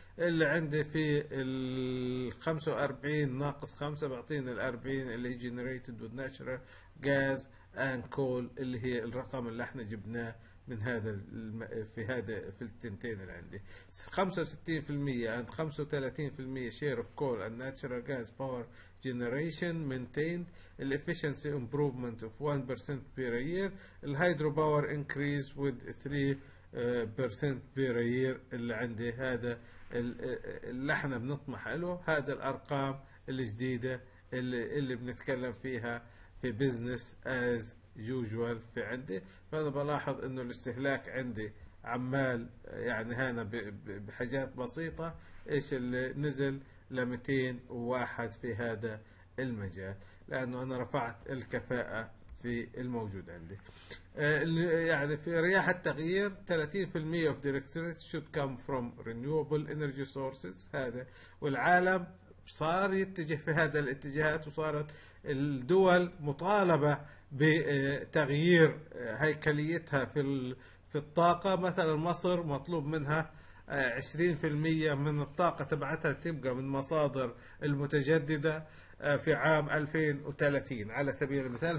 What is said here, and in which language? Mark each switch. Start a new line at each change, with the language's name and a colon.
Arabic: اللي عندي في ال 45 ناقص 5 بعطيني ال 40 اللي هي
English: generated with natural gas and coal،
Arabic: اللي هي الرقم اللي احنا جبناه من هذا في التنتين اللي عندي.
English: 65% and 35% share of coal and natural gas power generation maintained. The efficiency improvement of 1% per year. The hydro power increase with 3% per year.
Arabic: اللي عندي هذا اللي احنا بنطمح له. هذا الارقام الجديدة اللي بنتكلم فيها في
English: business as usual
Arabic: في عندي. فانا بلاحظ انه الاستهلاك عندي عمال يعني هنا بحاجات بسيطة ايش اللي نزل ل 201 في هذا المجال، لانه انا رفعت الكفاءة في الموجود عندي. يعني في رياح التغيير
English: 30% of the electricity should come from renewable energy sources.
Arabic: هذا والعالم صار يتجه في هذا الاتجاهات، وصارت الدول مطالبة بتغيير هيكليتها في الطاقة. مثلا مصر مطلوب منها 20% من الطاقة تبعتها تبقى من مصادر المتجددة في عام 2030 على سبيل المثال.